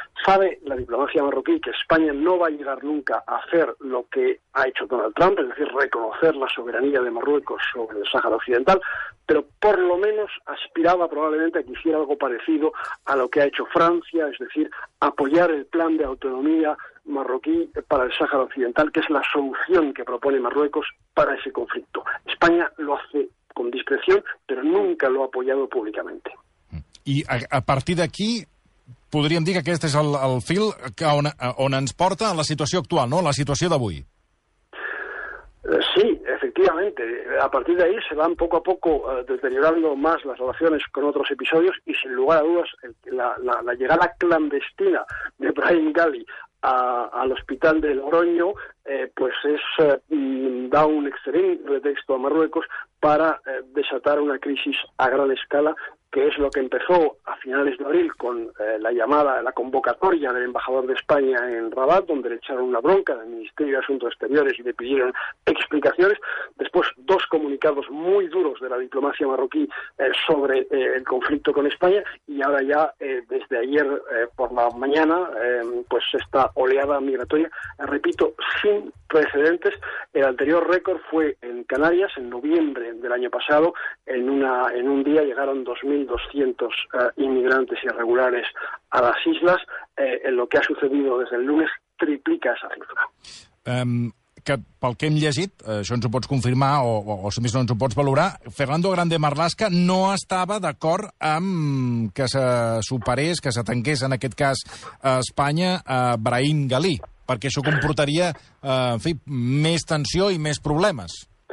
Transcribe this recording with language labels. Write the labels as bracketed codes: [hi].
[es] Sabe la diplomacia marroquí que España no va a llegar nunca a hacer lo que ha hecho Donald Trump, es decir, reconocer la soberanía de Marruecos sobre el Sáhara Occidental, pero por lo menos aspiraba probablemente a que hiciera algo parecido a lo que ha hecho Francia, es decir, apoyar el plan de autonomía marroquí para el Sáhara Occidental, que es la solución que propone Marruecos para ese conflicto. España lo hace con discreción, pero nunca lo ha apoyado públicamente. [ca] I a partir d'aquí podríem dir que aquest és el fil que on ens porta la situació actual, no? La situació d'avui. [es] Sí, efectivamente. A partir de ahí se van poco a poco deteriorando más las relaciones con otros episodios, y sin lugar a dudas la llegada clandestina de Brahim Ghali al hospital de Logroño, pues es da un excelente pretexto a Marruecos para desatar una crisis a gran escala, que es lo que empezó a finales de abril con la convocatoria del embajador de España en Rabat, donde le echaron una bronca del Ministerio de Asuntos Exteriores y le pidieron explicaciones. Después, dos comunicados muy duros de la diplomacia marroquí sobre el conflicto con España, y ahora ya desde ayer por la mañana, pues esta oleada migratoria, repito, sin precedentes. El anterior récord fue en Canarias, en noviembre del año pasado. En un día llegaron 2.200 inmigrantes irregulares a las islas. En lo que ha sucedido desde el lunes triplica esa cifra. [ca] Que pel que hem llegit, això ens ho pots confirmar o si més no ens ho pots valorar, Fernando Grande Marlaska no estava d'acord amb que se superés, que se tanqués en aquest cas a Espanya a Brahim Ghali, perquè això comportaria, en fi, més tensió i més problemes.